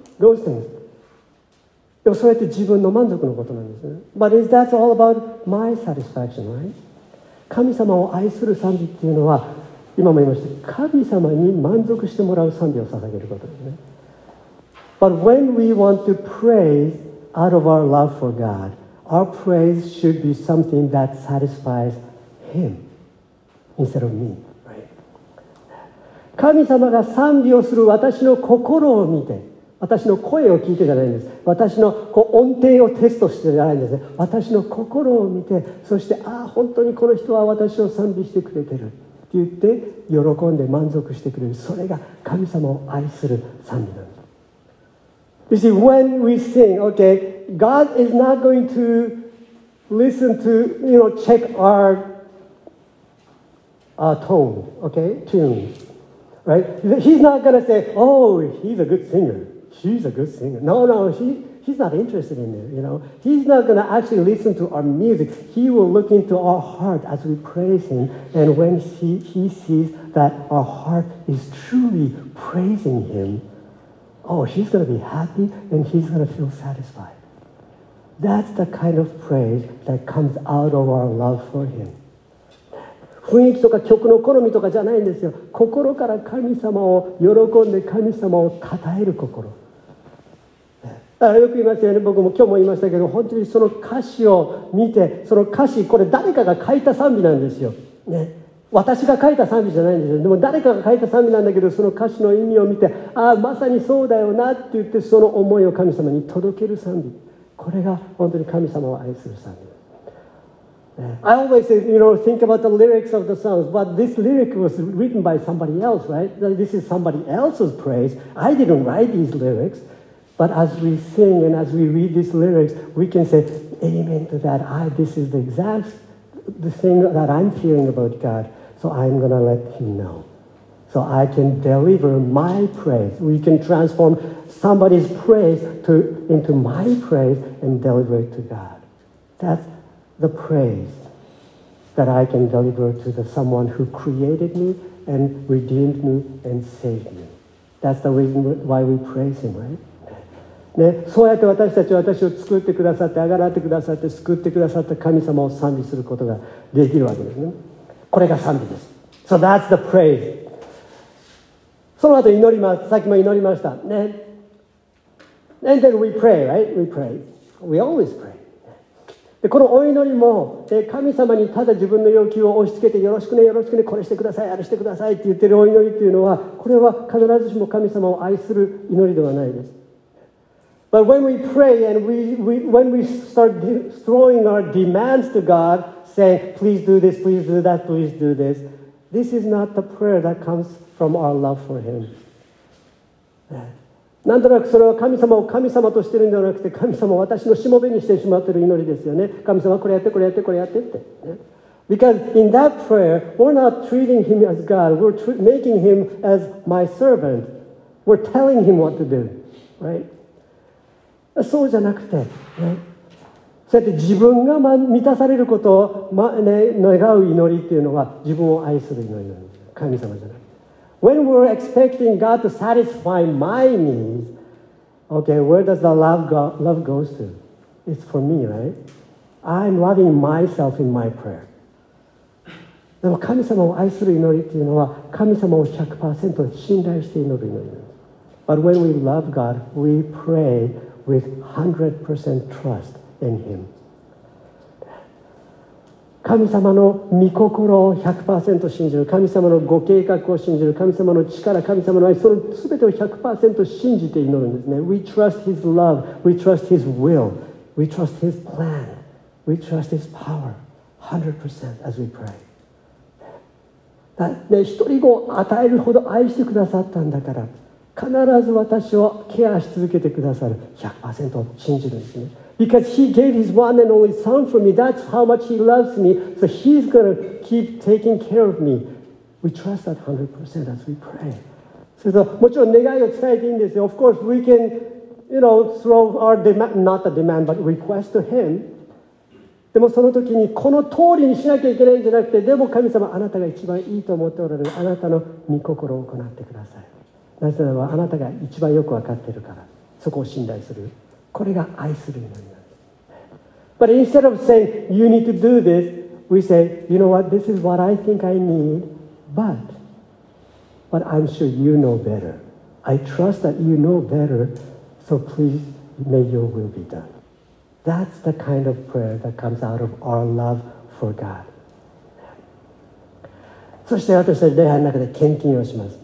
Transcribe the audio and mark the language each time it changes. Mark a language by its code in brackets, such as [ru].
[en] Those things. [ja] でもそれって自分の満足のことなんですね。 [en] But is that all about my satisfaction, right? [ja] 神様を愛する賛美っていうのは、今も言いました、神様に満足してもらう賛美を捧げることですね。 [en] But when we want to praise out of our love for God, our praise should be something that satisfies Him instead of me, right? [ja] 神様が賛美をする私の心を見て、私の声を聞いてじゃないんです。私のこう音程をテストしてじゃないんですね。私の心を見て、そして、ああ、本当にこの人は私を賛美してくれてるって言って、喜んで満足してくれる。それが神様を愛する賛美なんです。 [en] You see, when we sing, okay, God is not going to listen to, you know, check our tone, okay, tune, right? He's not going to say, oh, he's a good singer. She's a good singer. No, no, he's not interested in it, you know. He's not going to actually listen to our music. He will look into our heart as we praise him. And when he sees that our heart is truly praising him, oh, he's going to be happy and he's going to feel satisfied. That's the kind of praise that comes out of our love for him. [ja] 雰囲気とか曲の好みとかじゃないんですよ。心から神様を喜んで神様を称える心。あ、よく言いますよね。僕も今日も言いましたけど、本当にその歌詞を見て、その歌詞、これ誰かが書いた賛美なんですよ、ね、私が書いた賛美じゃないんですよ。でも誰かが書いた賛美なんだけど、その歌詞の意味を見て、ああ、まさにそうだよなって言って、その思いを神様に届ける賛美、これが本当に神様を愛する賛美。 [en] I always say, you know, think about the lyrics of the songs, but this lyric was written by somebody else, right? This is somebody else's praise. I didn't write these lyrics, but as we sing and as we read these lyrics, we can say, amen to that. This is the exact the thing that I'm feeling about God, so I'm going to let him know. So I can deliver my praise. We can transform somebody's praise into my praise and deliver it to God. That'sThe praise that I can deliver to the someone who created me and redeemed me and saved me. That's the reason why we praise him, right? [ja] ね、そうやって私たちは私を作ってくださって、あがらってくださって、救ってくださった神様を賛美することができるわけですね。これが賛美です。 [en] So that's the praise. [ja] その後祈ります。さっきも祈りました。 [en] ね。And then we pray, right? We pray. We always pray. [ja] でこのお祈りも、神様にただ自分の要求を押し付けて、よろしくね、よろしくね、これしてください、あれしてくださいって言ってるお祈りっていうのは、これは必ずしも神様を愛する祈りではないです。 [en] But when we pray and when we start throwing our demands to God, saying, please do this, please do that, please do this, this is not the prayer that comes from our love for Him. [ja] なんとなくそれは神様を神様としてるんではなくて、神様を私のしもべにしてしまってる祈りですよね。神様これやって、これやって、これやってって。 [en] Because in that prayer, we're not treating Him as God. We're making Him as my servant. We're telling Him what to do. Right? [ja] そうじゃなくて、ね、そうやって自分が満たされることを、ね、願う祈りっていうのは自分を愛する祈りなんです。神様じゃない。 [en] When we're expecting God to satisfy my needs, okay, where does the love go to? It's for me, right? I'm loving myself in my prayer. [ja] でも神様を愛する祈りっていうのは神様を 100% 信頼して祈る祈りなんです。 [en] But when we love God, we prayWith 100% trust in Him. [ja] 神様の御心を 100% 信じる、神様のご計画を信じる、神様の力、神様の愛、その全てを 100% 信じて祈るんですね。 [en] We trust His love, we trust His will, we trust His plan, we trust His power, 100% as we pray. [ja] だって一人子を与えるほど愛してくださったんだから、必ず私をケアし続けてくださる、 100% 信じるんですね。 [en] Because He gave His one and only Son for me, that's how much He loves me, so He's gonna keep taking care of me. We trust that 100% as we pray. So, [ja] もちろん願いを伝えていいんですよ。 [en] Of course we can, you know, throw our demand, not the demand, but request to Him. [ja] でもその時にこの通りにしなきゃいけないんじゃなくて、でも神様、あなたが一番いいと思っておられる、あなたの御心を行ってください。なぜならばあなたが一番よく分かっているから、そこを信頼する、これが愛する祈りなんです。 [en] But instead of saying you need to do this, we say, you know what, this is what I think I need, but I'm sure you know better. I trust that you know better, so please may your will be done. That's the kind of prayer that comes out of our love for God. [ja] そして私たち礼拝の中で献金をします。